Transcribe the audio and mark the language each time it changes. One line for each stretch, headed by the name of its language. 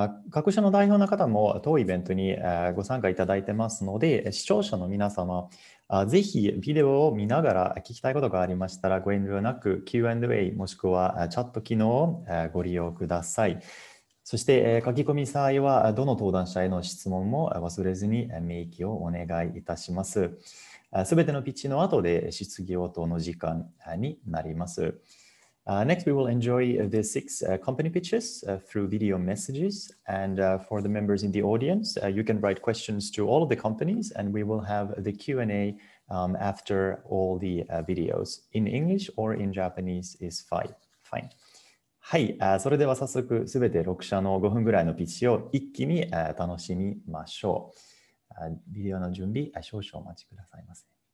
Japanese: 各社の代表の方も当イベントにご参加いただいてますので、視聴者の皆様、ぜひビデオを見ながら聞きたいことがありましたら、ご遠慮なく Q&A もしくはチャット機能をご利用ください。そして書き込み際は、どの登壇者への質問も忘れずに明記をお願いいたします。すべてのピッチの後で質疑応答の時間になります。
English: Next, we will enjoy the six company pitches through video messages. And for the members in the audience, you can write questions to all of the companies, and we will have the Q&A after all the videos in English or in Japanese is fine.
Japanese: はい、それでは早速すべて6社の5分ぐらいのピッチを一気に楽しみましょう。ビデオの準備、少々お待ちくださいませ。